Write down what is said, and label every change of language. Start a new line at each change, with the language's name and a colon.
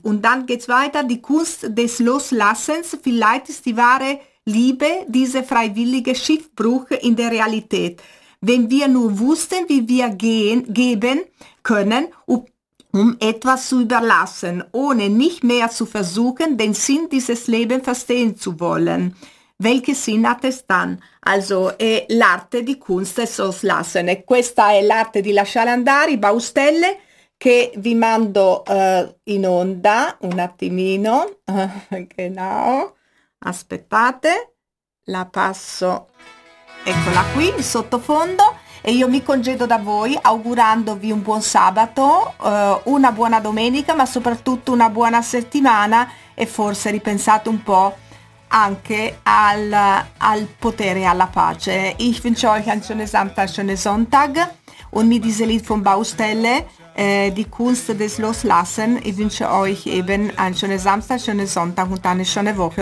German: Und dann geht's weiter, die Kunst des Loslassens, vielleicht ist die wahre Liebe, diese freiwillige Schiffbruch in der Realität. Wenn wir nur wussten, wie wir geben können, um etwas zu überlassen, ohne nicht mehr zu versuchen, den Sinn dieses Lebens verstehen zu wollen. Welche Sinn hat es dann?
Italian: Also, è l'arte di
German: Kunst des Loslassen.
Italian: E questa è l'arte di lasciare andare, i Baustelle, che vi mando in onda un attimino. Genau. Aspettate, la passo, eccola qui, in sottofondo. E io mi congedo da voi augurandovi un buon sabato, una buona domenica, ma soprattutto una buona settimana, e forse ripensate un po' anche al potere e alla pace.
German: Ich wünsche euch einen schönen Samstag, einen schönen Sonntag. Und mit diesem Lied von Baustelle, die Kunst des Loslassen, ich wünsche euch eben einen schönen Samstag, einen schönen Sonntag und eine schöne Woche.